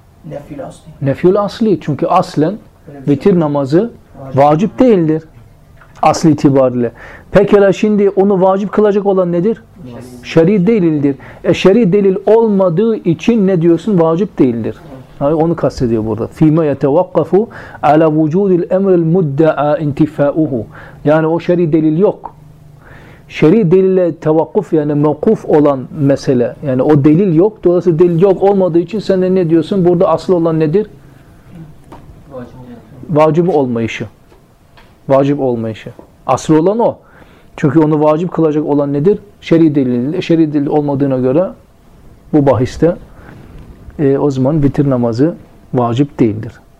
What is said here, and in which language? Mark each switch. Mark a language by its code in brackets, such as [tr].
[tr] Nefyül asli. Nefyül asli. Çünkü aslen vitir namazı vacip değildir. Asli itibariyle. Pekala şimdi onu vacip kılacak olan nedir? Şer'i delildir. Şer'i delil olmadığı için ne diyorsun? Vacip değildir. Onu kastediyor burada. [ar] فِيمَا يَتَوَقَّفُ عَلَى وُجُودِ الْاَمْرِ الْمُدَّعَى اِنْتِفَاءُهُ [tr] Yani o şer'i delil yok. şer'i delille tevakkuf yani mevkuf olan mesele. Yani o delil yok. Dolayısıyla delil yok olmadığı için sen de ne diyorsun? Burada asıl olan nedir? Vacib olmayışı. Vacib olmayışı. Asıl olan o. Çünkü onu vacip kılacak olan nedir? Şer'i delil. Şer'i delil olmadığına göre bu bahiste o zaman vitir namazı vacip değildir.